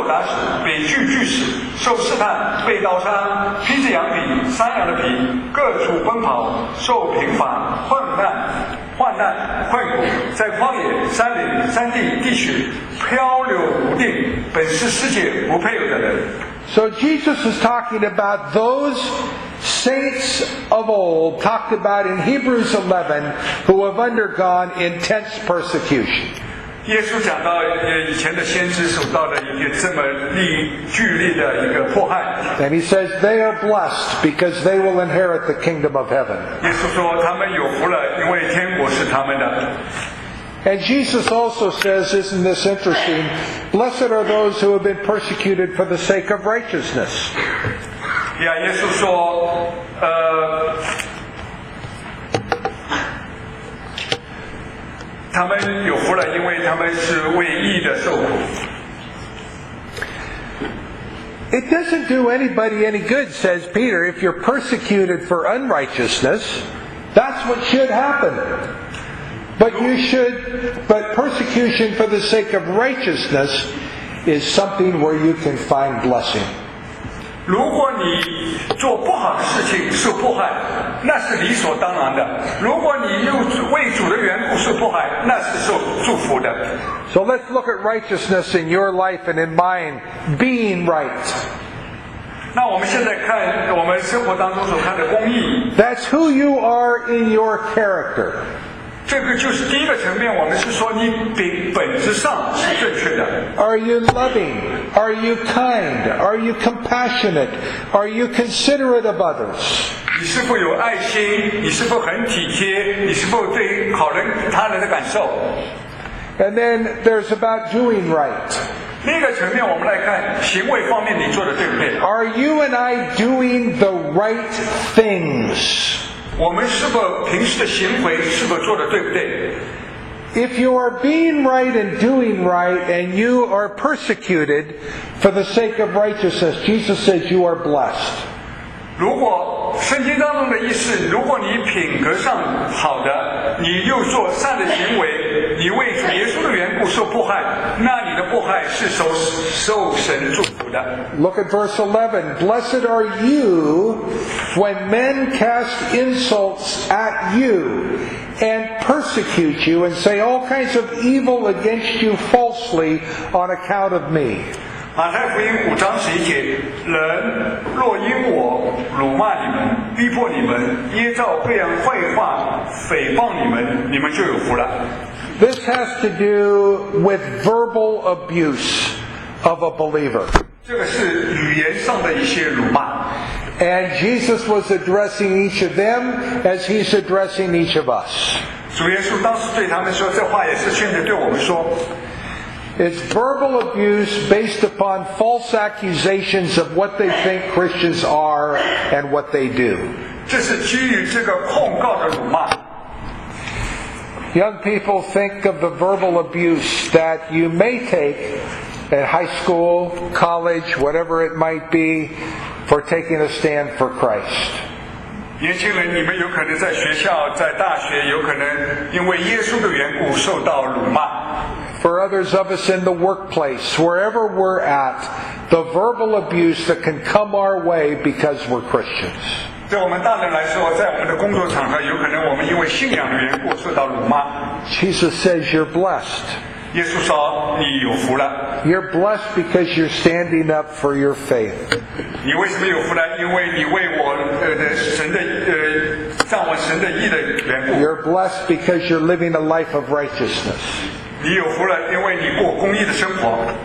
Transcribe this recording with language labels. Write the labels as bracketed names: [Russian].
[Chinese] 受打死，被锯锯死，受试探，被刀杀，披着羊皮，山羊的皮，各处奔跑，受贫乏，患难，困苦，在旷野、山林、山地、地穴漂流无定，本是世界不配有的人。 [English] So Jesus is talking about those saints of old, talked about in Hebrews 11, who have undergone intense persecution. [Chinese] 耶稣讲到以前的先知受到了一个这么剧烈的一个迫害。 [English] And he says they are blessed because they will inherit the kingdom of heaven. [Chinese] 耶稣说他们有福了，因为天国是他们的。 [English] And Jesus also says, isn't this interesting? Blessed are those who have been persecuted for the sake of righteousness. Yeah, Jesus said, [Chinese] 他们有福了，因为他们是为义的受苦。 [English] It doesn't do anybody any good, says Peter, if you're persecuted for unrighteousness. That's what should happen. But persecution for the sake of righteousness is something where you can find blessing. [Chinese] 如果你做不好的事情受迫害，那是理所当然的。如果你又为主的缘故受迫害，那是受祝福的。 [English] So let's look at righteousness in your life and in mine, being right. [Chinese] 那我们现在看我们生活当中所看的公义。 [English] That's who you are in your character. [Chinese] 这个就是第一个层面，我们是说你本质上是正确的。 [English] Are you loving? Are you kind? Are you compassionate? Are you considerate of others? [Chinese] 你是否有爱心？你是否很体贴？你是否对考虑他人的感受？ [English] And then there's about doing right. [Chinese] 另一个层面，我们来看行为方面你做的对不对？ [English] Are you and I doing the right things? [Chinese] 我们是否平时的行为是否做得对不对？ [English] If you are being right and doing right and you are persecuted for the sake of righteousness, Jesus says you are blessed. [Chinese] 如果圣经当中的意思，如果你品格上好的，你又做善的行为，你为主耶稣的缘故受迫害，那你的迫害是受神祝福的。 [English] Look at verse 11. Blessed are you when men cast insults at you and persecute you and say all kinds of evil against you falsely on account of me. [Chinese] 马太福音五章十一节，人若因我辱骂你们、逼迫你们、捏造各样坏话、诽谤你们，你们就有福了。 [English] This has to do with verbal abuse of a believer. [Chinese] 这个是语言上的一些辱骂。 [English] And Jesus was addressing each of them as he's addressing each of us. [Chinese] 主耶稣当时对他们说，这话也是现在对我们说。 [English] It's verbal abuse based upon false accusations of what they think Christians are and what they do. [Chinese] 这是基于这个控告的辱骂。 [English] Young people, think of the verbal abuse that you may take at high school, college, whatever it might be, for taking a stand for Christ. [Chinese] 年轻人，你们有可能在学校、在大学，有可能因为耶稣的缘故受到辱骂。 [English] For others of us in the workplace, wherever we're at, the verbal abuse that can come our way because we're Christians. [Chinese] 对我们大人来说，在我们的工作场合，有可能我们因为信仰的缘故受到辱骂。 [English] Jesus says you're blessed. [Chinese] 耶稣说你有福了。 [English] You're blessed because you're standing up for your faith. [Chinese] 你为什么有福呢？因为你为我神的站稳神的义的缘故。 [English] You're blessed because you're living a life of righteousness. [Chinese] 你有福了，因为你过公义的生活。